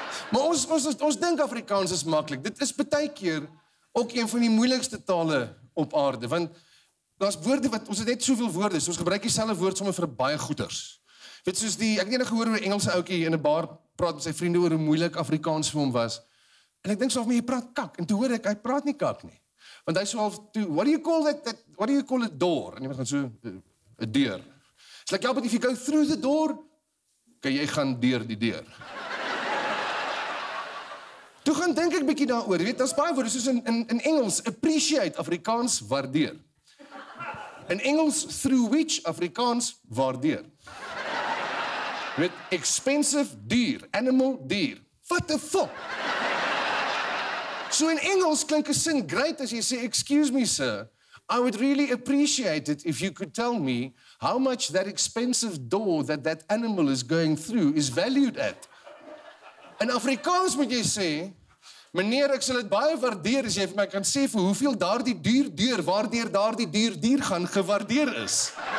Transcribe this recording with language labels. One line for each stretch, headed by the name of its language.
Afrikaans: Maar ons dink Afrikaans is maklik. Dit is baie keer ook een van die moeilikste tale op aarde, want daar's woorde wat ons het net soveel woorde, so ons gebruik dieselfde woord sommer vir baie goeders. Weet soos die ek het eendag gehoor hoe 'n Engelse ouetjie in 'n bar praat met sy vriende oor hoe moeilik Afrikaans vir hom was. En ek dink soms of my jy praat kak en toe hoor ek hy praat nie kak nie. Want hy sê half toe,
English: what do you call that what do you call a door?
Afrikaans: En iemand gaan so 'n deur. Sal ek help met
English: if you go through the door,
Afrikaans: kan jy gaan deur die deur. Toe gaan dink ek bietjie daaroor. Jy weet, daar's baie woorde soos in Engels appreciate, Afrikaans waardeer. In Engels through which, Afrikaans waardeer. Jy weet, expensive duur, animal duur.
English: What the fuck?
Afrikaans: So in Engels klink 'n sin
English: great as jy sê excuse me sir, I would really appreciate it if you could tell me how much that expensive door that animal is going through is valued at.
Afrikaans: In Afrikaans moet jy sê, meneer, ek sal dit baie waardeer as jy vir my kan sê vir hoeveel daardie duur deur waardeur daardie duur dier gaan gewaardeer is.